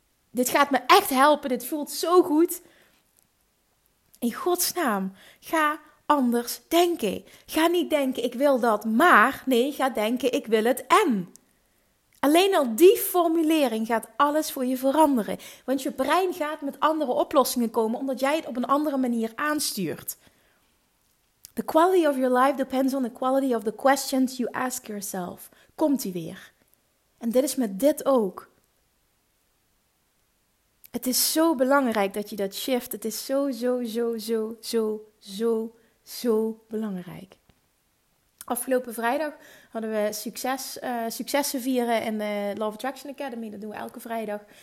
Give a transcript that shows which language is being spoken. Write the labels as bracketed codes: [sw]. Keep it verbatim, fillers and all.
[nl] Dit gaat me echt helpen. Dit voelt zo goed. In godsnaam, ga anders denken. Ga niet denken, ik wil dat, maar. Nee, ga denken, ik wil het en. Alleen al die formulering gaat alles voor je veranderen. Want je brein gaat met andere oplossingen komen, omdat jij het op een andere manier aanstuurt. [en] The quality of your life depends on the quality of the questions you ask yourself. [nl] Komt-ie weer. En dit is met dit ook. Het is zo belangrijk dat je dat shift. Het is zo, zo, zo, zo, zo, zo, zo belangrijk. Afgelopen vrijdag hadden we succes, uh, successen vieren in de Law of Attraction Academy. Dat doen we elke vrijdag.